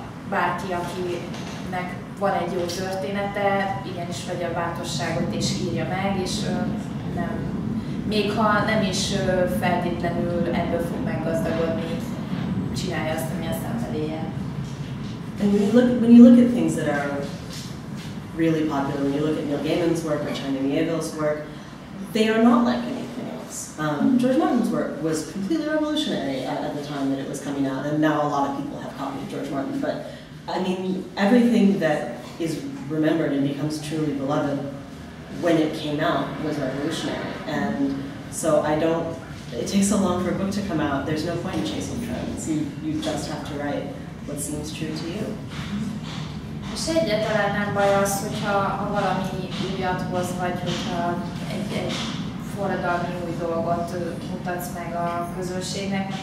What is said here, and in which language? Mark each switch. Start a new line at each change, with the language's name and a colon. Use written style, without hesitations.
Hungarian: bárki, akinek van egy jó története, igenis vegye a bátorságot és írja meg, és nem, még ha nem is feltétlenül ebből fog meggazdagodni, csinálja azt, ami a szenvedélye.
English: And when you look at things that are really popular, when you look at Neil Gaiman's work or Chinua Achebe's work, they are not like anything else. George Martin's work was completely revolutionary at the time that it was coming out, and now a lot of people have copied George Martin, but I mean, everything that is remembered and becomes truly beloved when it came out was revolutionary. And so it takes so long for a book to come out, there's no point in chasing trends. You just have to write what seems true to you.
Hungarian: És egyáltalán nem baj az, hogyha ha valami újat hoz, vagy hogyha egy forradalmi új dolgot mutatsz meg a közönségnek.